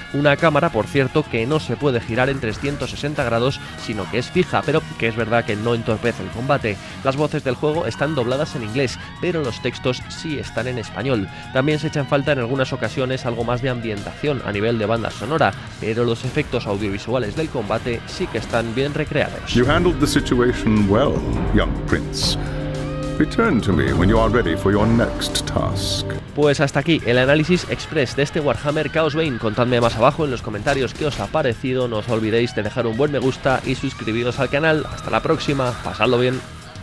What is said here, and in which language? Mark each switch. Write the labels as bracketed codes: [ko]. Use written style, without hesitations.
[es] Una cámara, por cierto, que no se puede girar en 360 grados, sino que es fija, pero que es verdad que no entorpece el combate. Las voces del juego están dobladas en inglés, pero los textos sí están en español. También se echa en falta en algunas ocasiones algo más de ambientación a nivel de banda sonora, pero los efectos audiovisuales del combate sí que están bien recreados. [en] You handled the situation well, young prince. Return to me when you are ready for your next task. [es] Pues hasta aquí el análisis express de este Warhammer Chaosbane. Contadme más abajo en los comentarios qué os ha parecido. No os olvidéis de dejar un buen me gusta y suscribiros al canal. Hasta la próxima. Pasadlo bien.